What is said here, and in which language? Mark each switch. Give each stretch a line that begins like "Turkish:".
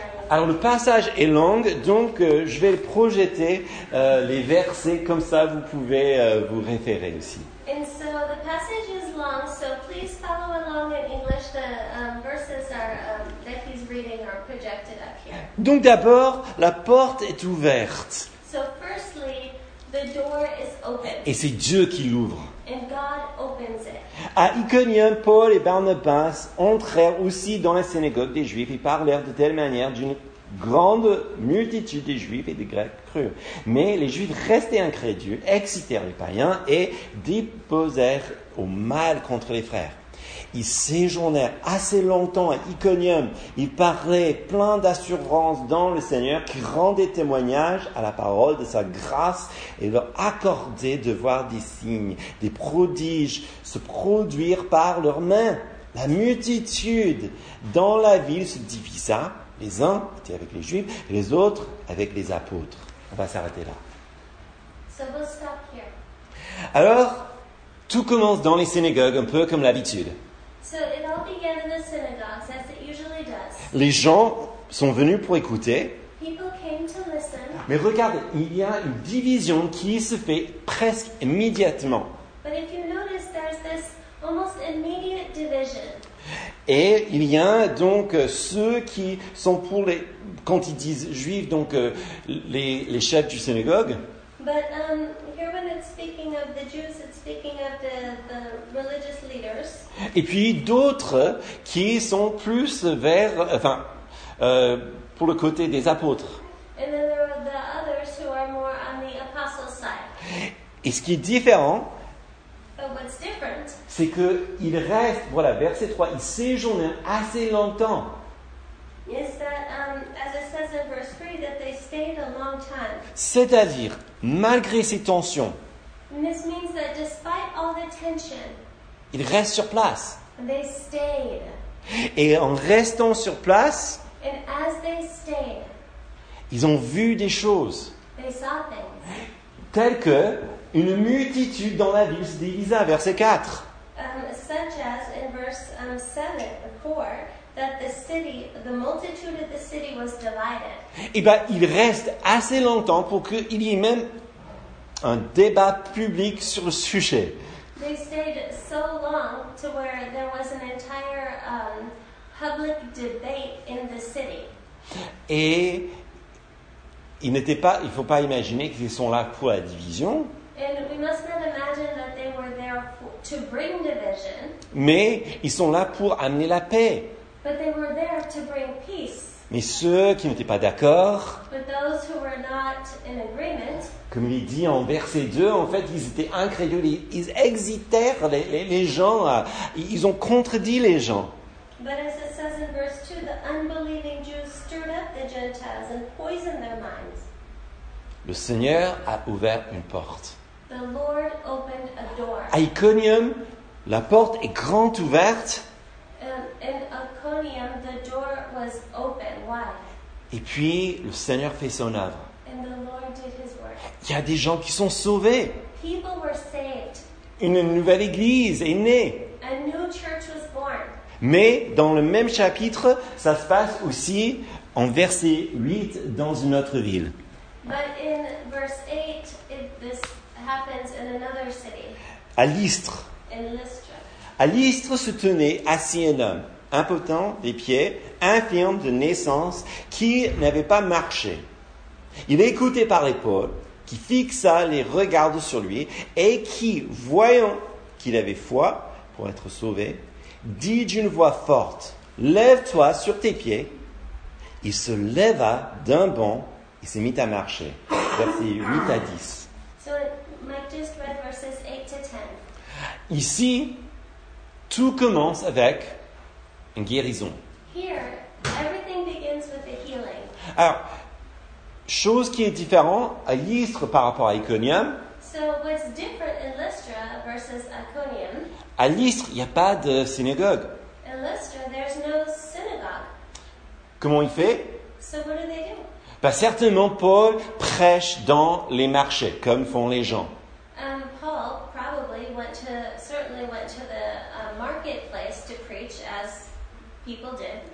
French: Alors, le passage est long, donc je vais projeter les versets comme ça, vous pouvez vous référer aussi.
English: And And so the passage is long, so please follow along in English. The verses are that he's reading are projected up here.
French: Donc d'abord, la porte est ouverte.
English: So firstly, the door is open.
French: Et c'est Dieu qui l'ouvre.
English: And God opens it.
French: À Iconium, Paul et Barnabas entrèrent aussi dans la synagogue des Juifs et parlèrent de telle manière d'une grande multitude des Juifs et des Grecs crurent. Mais les Juifs restaient incrédules, excitèrent les païens et disposèrent au mal contre les frères. Ils séjournèrent assez longtemps à Iconium. Ils parlaient plein d'assurance dans le Seigneur qui rendait témoignage à la parole de sa grâce et leur accordait de voir des signes, des prodiges se produire par leurs mains. La multitude dans la ville se divisa. Les uns étaient avec les Juifs, les autres avec les apôtres. On va s'arrêter là.
English: So we'll stop here.
French: Alors, tout commence dans les synagogues, un peu comme l'habitude.
English: So it all began in the synagogues, as it usually does.
French: Les gens sont venus pour écouter.
English: People came to listen.
French: Mais regardez, il y a une division qui se fait presque immédiatement.
English: But if you notice, there's this almost immediate division.
French: Et il y a donc ceux qui sont pour les, quand ils disent juifs, donc les chefs du synagogue.
English: But here when it's speaking of the Jews, it's speaking of the religious leaders.
French: Et puis d'autres qui sont plus vers, enfin, pour le côté des apôtres.
English: And then there are the others who are more on the apostles' side.
French: Et ce qui est différent,
English: but what's different?
French: C'est qu'il reste, voilà, verset 3, il séjourne assez longtemps.
English: Is that, as it says in verse 3, that they stayed a long time.
French: C'est-à-dire, malgré ces tensions,
English: and this means that despite all the tension,
French: il reste sur place.
English: They stayed.
French: Et en restant sur place,
English: and as they stayed,
French: ils ont vu des choses.
English: They saw things.
French: Telles que, une multitude dans la ville se divisa, verset 4.
English: Such as in verse 7-4, that the city, the multitude of the city was divided.
French: Et bien, il reste assez longtemps pour qu'il y ait même un débat public sur le sujet.
English: They stayed so long to where there was an entire public debate in the city.
French: Et ils n'étaient pas, il ne faut pas imaginer qu'ils sont là pour la division.
English: And we must not imagine that they were there to bring division.
French: Mais ils sont là pour amener la paix.
English: But they were there to bring peace.
French: Mais ceux qui n'étaient pas d'accord,
English: but those who were not in agreement,
French: comme il dit en verset 2, en fait, ils étaient incrédules, ils excitèrent les gens, ils ont contredit les gens.
English: But as it says in verse 2, the unbelieving Jews stirred up the Gentiles and poisoned their minds.
French: Le Seigneur a ouvert une porte.
English: The Lord opened a door.
French: À Iconium, la porte est grande ouverte.
English: In Iconium, the door was open. Why?
French: Et puis, le Seigneur fait son œuvre.
English: And the Lord did his work.
French: Il y a des gens qui sont sauvés.
English: People were saved.
French: Une nouvelle église est née.
English: A new church was born.
French: Mais dans le même chapitre, ça se passe aussi en verset 8 dans une autre ville.
English: But in verse 8, this happens in another city.
French: À Lystre.
English: In Lystra.
French: À Lystre se tenait assis un homme, impotent des pieds, infirme de naissance, qui n'avait pas marché. Il écoutait par l'épaule, qui fixa les regards sur lui, et qui, voyant qu'il avait foi pour être sauvé, dit d'une voix forte, « Lève-toi sur tes pieds. » Il se leva d'un bond, il s'est mis à marcher. Versets 8 à 10.
English: So Mike just read verses 8 to 10.
French: Ici, tout commence avec une guérison.
English: Here, everything begins with a healing.
French: Alors, chose qui est différente à Lystre par rapport à Iconium.
English: So what's different in Lystra versus Iconium?
French: À Lystre, il n'y a pas de synagogue.
English: In Lystra, there's no synagogue.
French: Comment il fait?
English: So what do they do?
French: Bah, certainement, Paul prêche dans les marchés, comme font les gens.
English: Paul probably certainly went to the marketplace to preach as people did.